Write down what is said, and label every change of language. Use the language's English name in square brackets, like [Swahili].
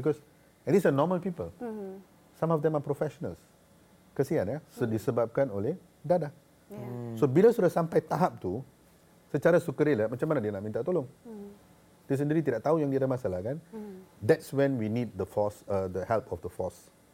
[English] Because these are normal people. Some of them are professionals. [Malay] Kesian, disebabkan oleh dadah. So bila sudah sampai tahap tu, secara sukarela, macam mana dia nak minta tolong? Dia sendiri tidak tahu yang dia ada masalah kan? [English] That's when we need the force, the help of the force.